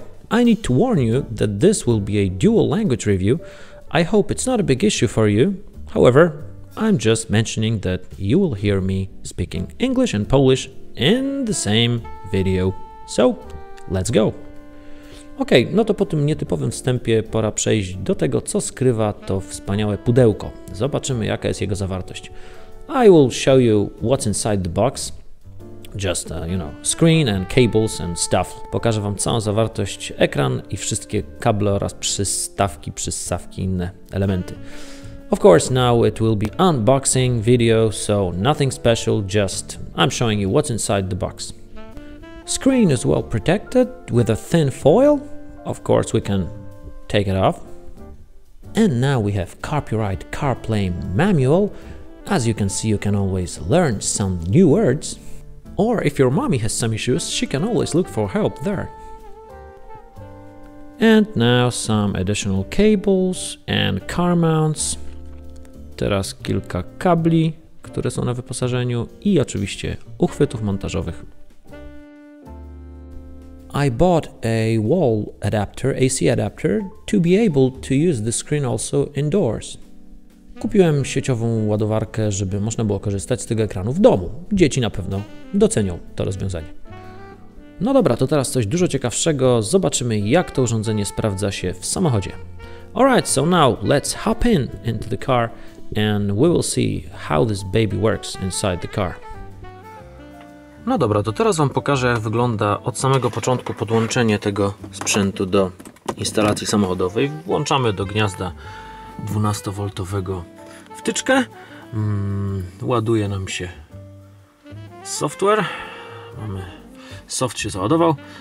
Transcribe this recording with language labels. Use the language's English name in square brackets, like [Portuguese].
[English] I need to warn you that this will be a dual language review. I hope it's not a big issue for you. However, I'm just mentioning that you will hear me speaking English and Polish in the same video. So, let's go! [Polish] Ok, no to po tym nietypowym wstępie pora przejść do tego, co skrywa to wspaniałe pudełko. Zobaczymy, jaka jest jego zawartość. [English] I will show you what's inside the box. Just, you know, screen and cables and stuff. [Polish] Pokażę wam całą zawartość, ekran i wszystkie kable oraz przystawki, przyssawki, inne elementy. [English] Of course, now it will be unboxing video, so nothing special, just I'm showing you what's inside the box. Screen is well protected with a thin foil. Of course, we can take it off. And now we have Carpuride CarPlay manual. As you can see, you can always learn some new words. Or if your mommy has some issues, she can always look for help there. And now some additional cables and car mounts. [Polish] Teraz kilka kabli, które są na wyposażeniu i oczywiście uchwytów montażowych. [English] I bought a wall adapter, AC adapter, to be able to use the screen also indoors. [Polish] Kupiłem sieciową ładowarkę, żeby można było korzystać z tego ekranu w domu. Dzieci na pewno docenią to rozwiązanie. No dobra, to teraz coś dużo ciekawszego. Zobaczymy, jak to urządzenie sprawdza się w samochodzie. [English] Alright, so now let's hop into the car and we will see how this baby works inside the car. [Polish] No dobra, to teraz wam pokażę, jak wygląda od samego początku podłączenie tego sprzętu do instalacji samochodowej. Włączamy do gniazda 12-woltowego wtyczkę. Ładuje nam się software. Mamy, soft się załadował.